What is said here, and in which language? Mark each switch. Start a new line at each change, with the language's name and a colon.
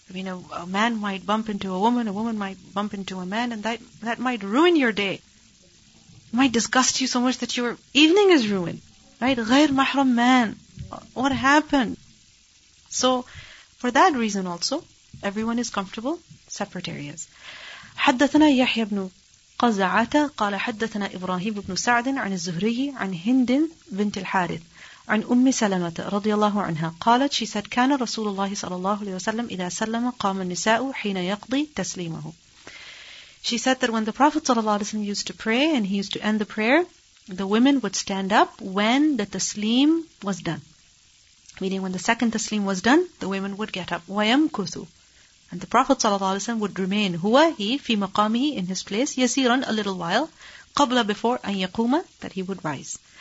English: I mean, a man might bump into a woman might bump into a man, and that might ruin your day. Might disgust you so much that your evening is ruined. Right? غير محرم man. What happened? So, for that reason also, everyone is comfortable. separate areas.
Arabic: حدثنا يحيى بن قزعة قال حدثنا إبراهيم بن سعد عن الزهري عن هند بنت الحارث عن أم سلمة رضي الله عنها قالت
English: she said
Arabic: كان رسول الله صلى الله عليه وسلم إذا سلم قام النساء حين يقضي تسليمه.
English: She said that when the Prophet sallallahu alaihi wasallam used to pray and he used to end the prayer, the women would stand up when the tasleem was done. Meaning when the second tasleem was done, the women would get up.
Arabic: وَيَمْكُثُ.
English: And the Prophet sallallahu alaihi wasallam would remain,
Arabic: هُوَ
English: he,
Arabic: فِي مَقَامِهِ,
English: in his place,
Arabic: يَسِيرًا,
English: a little while,
Arabic: قَبْلَ,
English: before,
Arabic: أَنْ يَقُومَ,
English: that he would rise.